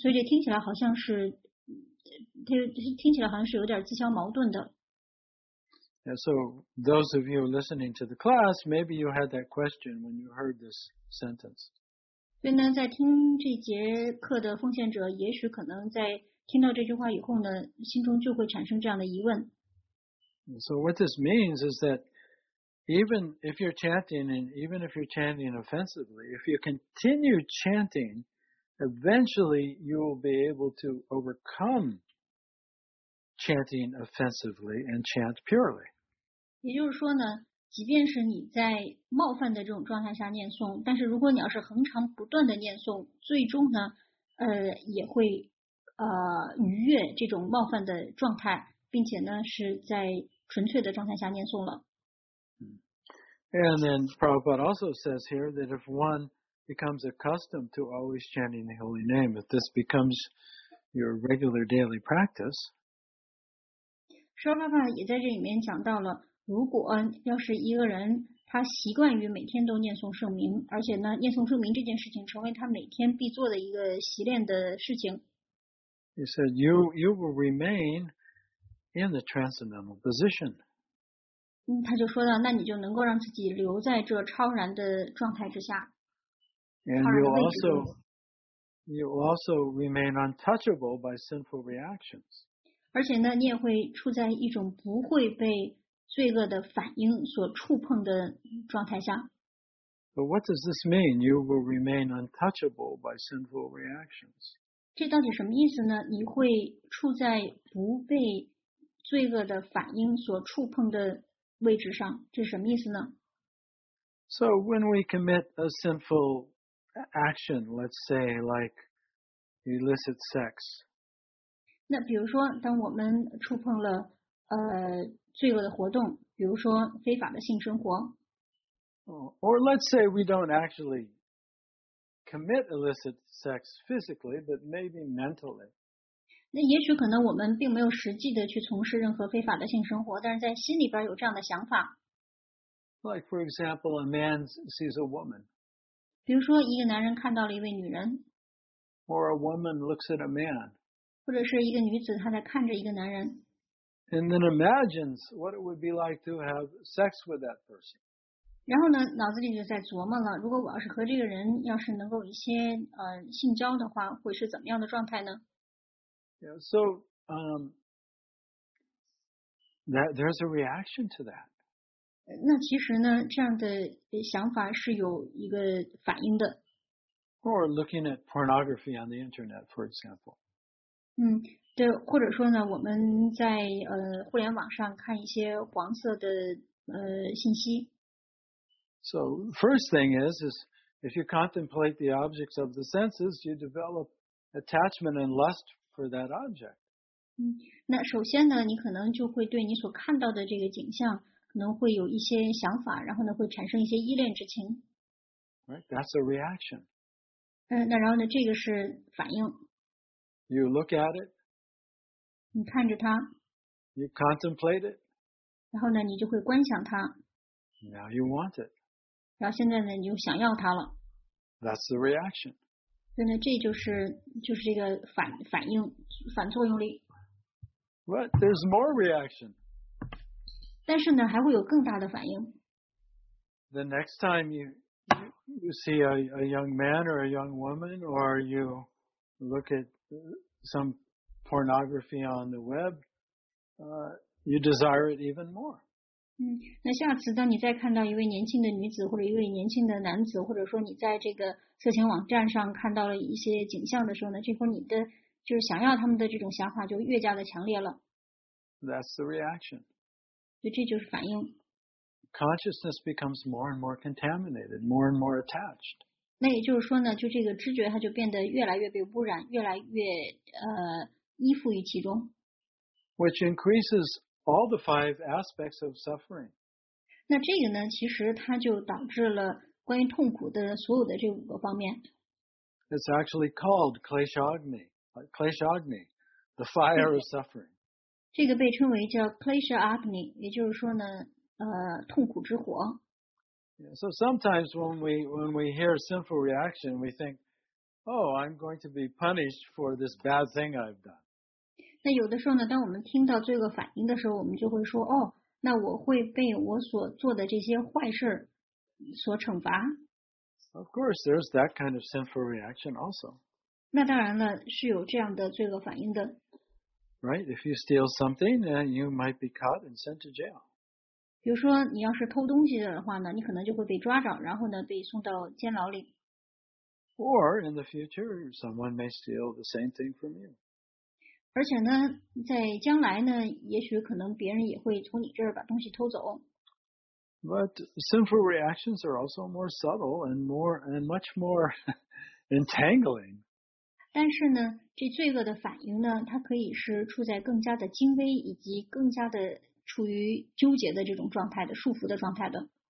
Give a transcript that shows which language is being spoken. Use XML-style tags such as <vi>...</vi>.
<zh>所以这听起来好像是，听起来好像是有点自相矛盾的。</zh> <en>Yeah, so those of you listening to the class, maybe you had that question when you heard this sentence.</en> <zh>所以呢，在听这节课的奉献者，也许可能在听到这句话以后呢，心中就会产生这样的疑问。</zh> <en>So what this means is that even if you're chanting, and even if you're chanting offensively, if you continue chanting, eventually you will be able to overcome chanting offensively and chant purely.</en> <zh>也就是说呢，即便是你在冒犯的这种状态下念诵，但是如果你要是恒常不断的念诵，最终呢，也会逾越这种冒犯的状态，并且呢是在纯粹的状态下念诵了。</zh> <en>And then Prabhupada also says here that if one becomes accustomed to always chanting the holy name, if this becomes your regular daily practice,</en> <zh>舍巴巴也在这里面讲到了，如果要是一个人他习惯于每天都念诵圣名，而且呢念诵圣名这件事情成为他每天必做的一个习练的事情。</zh> <en>He said, you will remain in the transcendental position.</en> <zh>他就说到，那你就能够让自己留在这超然的状态之下。</zh> <en>And you also remain untouchable by sinful reactions.</en> <zh>而且呢，你也会处在一种不会被罪恶的反应所触碰的状态下。</zh> <en>But what does this mean? You will remain untouchable by sinful reactions.</en> <zh>这到底什么意思呢？你会处在不被罪恶的反应所触碰的位置上，这是什么意思呢？</zh> <en>So when we commit a sinful action, let's say like illicit sex.</en> <zh>那比如说当我们触碰了罪恶的活动，比如说非法的性生活。</zh> <en>Or let's say we don't actually commit illicit sex physically, but maybe mentally.</en> <zh>那也许可能我们并没有实际的去从事任何非法的性生活，但是在心里边有这样的想法。</zh> <en>Like for example, a man sees a woman.</en> <zh>比如说一个男人看到了一位女人。</zh> <en>Or a woman looks at a man.</en> <zh>或者是一个女子她在看着一个男人。</zh> <en>And then imagines what it would be like to have sex with that person.</en> <zh>然后呢，脑子里就在琢磨了，如果我要是和这个人要是能够一些性交的话，会是怎么样的状态呢？</zh> <en>Yeah, so that there's a reaction to that.</en> <zh>那其实呢，这样的想法是有一个反应的。</zh> <en>Or looking at pornography on the internet, for example.</en> <zh>对，或者说呢，我们在互联网上看一些黄色的信息。</zh> <en>So first thing is if you contemplate the objects of the senses, you develop attachment and lust for that object.</en> <zh>嗯，那首先呢，你可能就会对你所看到的这个景象，可能会有一些想法，然后呢，会产生一些依恋之情。</zh> <en>Right, that's a reaction.</en> <zh>嗯，那然后呢，这个是反应。</zh> <en>You look at it.</en> <zh>你看着它。</zh> <en>You contemplate it.</en> <zh>然后呢，你就会观想它。</zh> <en>Now you want it.</en> <zh>然后现在呢，你就想要它了。</zh> <en>That's the reaction.</en> <zh>所以呢，这就是这个反应反作用力。</zh> <en>But there's more reaction.</en> <zh>但是呢，还会有更大的反应。</zh> <en>The next time you see a young man or a young woman, or you look at some pornography on the web, you desire it even more.</en> <zh>嗯，那下次当你再看到一位年轻的女子或者一位年轻的男子，或者说你在这个色情网站上看到了一些景象的时候呢，这会儿你的就是想要他们的这种想法就越加的强烈了。</zh> <en>That's the reaction.</en> <zh>对，这就是反应。</zh> <en>Consciousness becomes more and more contaminated, more and more attached.</en> <zh>那也就是说呢，就这个知觉它就变得越来越被污染，越来越依附于其中。</zh> <en>Which increases all the five aspects of suffering.</en> <zh>那这个呢，其实它就导致了关于痛苦的所有的这五个方面。</zh> <en>It's actually called Kleshagni, the fire of suffering.</en> <zh>这个被称为叫 Klesha Agni, 也就是说呢，痛苦之火。</zh> <en>Yeah, so sometimes when we hear a sinful reaction, we think, oh, I'm going to be punished for this bad thing I've done.</en> <zh>那有的时候呢，当我们听到罪恶反应的时候，我们就会说，哦，那我会被我所做的这些坏事所惩罚。</zh> <en>Of course, there's that kind of sinful reaction also.</en> <zh>那当然了，是有这样的罪恶反应的。</zh> <en>Right, if you steal something, then you might be caught and sent to jail.</en> <zh>比如说你要是偷东西的话呢，你可能就会被抓着，然后呢被送到监牢里。</zh> <en>Or in the future, someone may steal the same thing from you.</en> <zh>而且呢，在将来呢，也许可能别人也会从你这儿把东西偷走。</zh> <en>But sinful reactions are also more subtle and more and much more entangling.</en> <zh>但是呢，这罪恶的反应呢，它可以是处在更加的精微以及更加的处于纠结的这种状态的束缚的状态的。</zh>